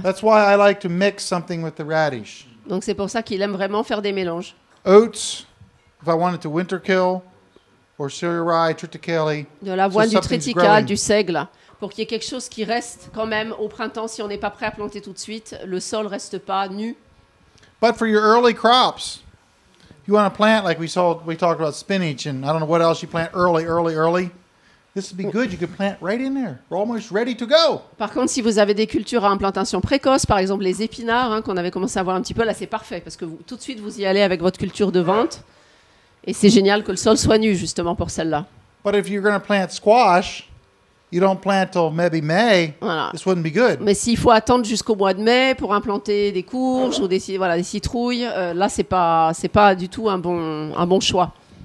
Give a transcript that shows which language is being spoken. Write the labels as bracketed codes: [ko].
[en] That's why I like to mix something with the radish. [fr] Donc c'est pour ça qu'il aime vraiment faire des mélanges. [en] Oats, if I wanted to winter kill. Or cereal rye, triticale. [fr] De l'avoine, so du triticale, du seigle, pour qu'il y ait quelque chose qui reste quand même au printemps si on n'est pas prêt à planter tout de suite, le sol reste pas nu. [en] But for your early crops, you want to plant like we talked about spinach and I don't know what else you plant early. This would be good, you could plant right in there. We're almost ready to go. [fr] Par contre, si vous avez des cultures à implantation précoce, par exemple les épinards hein, qu'on avait commencé à voir un petit peu, là c'est parfait parce que vous, tout de suite vous y allez avec votre culture de vente. Et c'est génial que le sol soit nu, justement, pour celle-là. [en] But if you're going to plant squash, you don't plant till maybe May, [fr] voilà. [en] This wouldn't be good. [fr] Mais s'il faut attendre jusqu'au mois de mai pour implanter des courges ou des citrouilles, là, c'est pas du tout un bon choix.